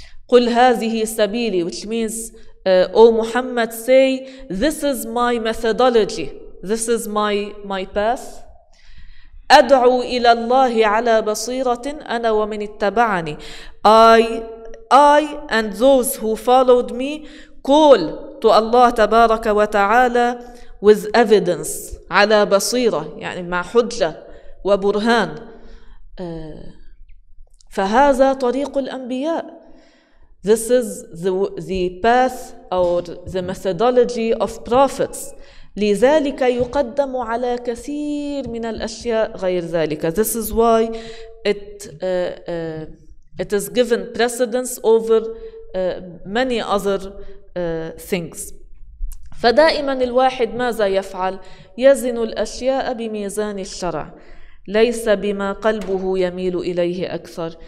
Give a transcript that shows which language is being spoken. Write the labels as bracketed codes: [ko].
[ar] قل هذه سبيلي, [en] which means O Muhammad, say this is my methodology, this is my path. [ar] أدعو إلى الله على بصيرة أنا ومن اتبعني. [en] I and those who followed me call to Allah [ar] تبارك وتعالى [en] with evidence, [ar] على بصيرة, يعني مع حجة وبرهان. فهذا طريق الأنبياء. [en] This is the path or the methodology of prophets. [ar] لذلك يقدم على كثير من الأشياء غير ذلك. [en] This is why it is given precedence over many other things. [ar] فدائما الواحد ماذا يفعل؟ يزن الأشياء بميزان الشرع ليس بما قلبه يميل إليه أكثر.